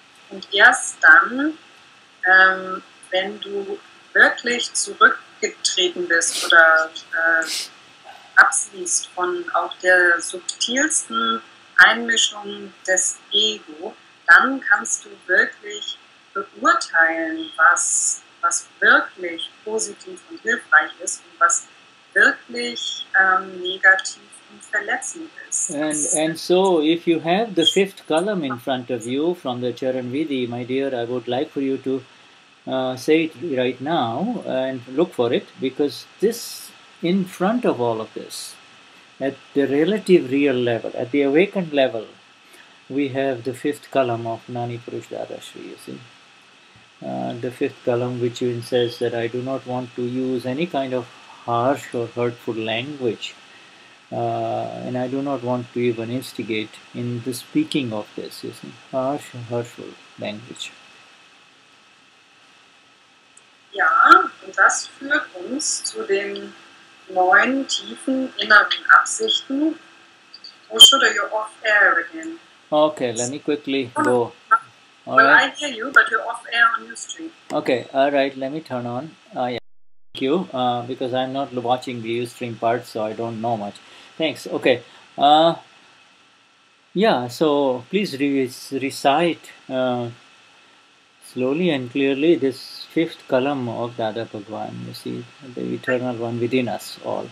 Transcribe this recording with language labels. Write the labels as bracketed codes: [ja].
[de] Und erst dann, wenn du wirklich zurückgetreten bist oder absiehst von auch der subtilsten Einmischung des Ego, dann kannst du wirklich beurteilen, was wirklich positiv und hilfreich ist und was wirklich negativ und verletzend ist. [en] And so, if you have the fifth column in front of you from the Charanvidhi, my dear, I would like for you to say it right now and look for it, because this, in front of all of this, at the relative real level, at the awakened level, we have the fifth column of Gnani Purush Dadashri, you see. The fifth column, which even says that I do not want to use any kind of harsh or hurtful language, and I do not want to even instigate in the speaking of this, you see, harsh or hurtful language. [de] Ja, und das führt uns zu den neun tiefen inneren Absichten. [en] Or should I go off air again? Okay, let me quickly go. All well, right. I hear you, but you're off air on your stream. Okay, all right, let me turn on. Thank you, because I'm not watching the stream part, so I don't know much. Thanks, okay. So please recite slowly and clearly this fifth column of Dada Bhagwan, you see, the eternal one within us all.